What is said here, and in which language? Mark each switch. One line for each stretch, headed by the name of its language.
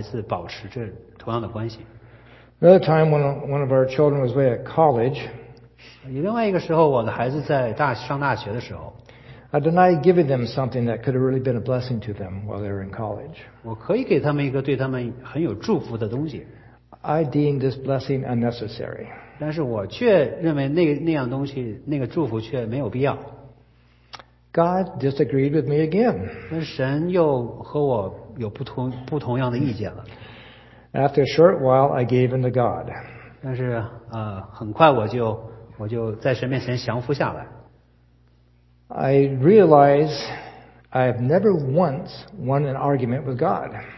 Chinese: 他还是愿意和我有这样一个关系，那为什么我不能够和我的孩子保持这同样的关系？
English: Another time when one of our children was away at college,
Chinese: 另外一个时候我的孩子在上大学的时候，
English: I denied giving them something that could have really been a blessing to them while they were in college.
Chinese: 我可以给他们一个对他们很有祝福的东西。
English: I deemed this blessing unnecessary.
Chinese: 但是我却认为那样东西，那个祝福却没有必要。
English: God disagreed with me again.
Chinese: 那神又和我有不同样的意见了。
English: After a short while, I gave in to God.
Chinese: 但是很快我就在神面前降服下来。
English: I realize I've never once won an argument with God.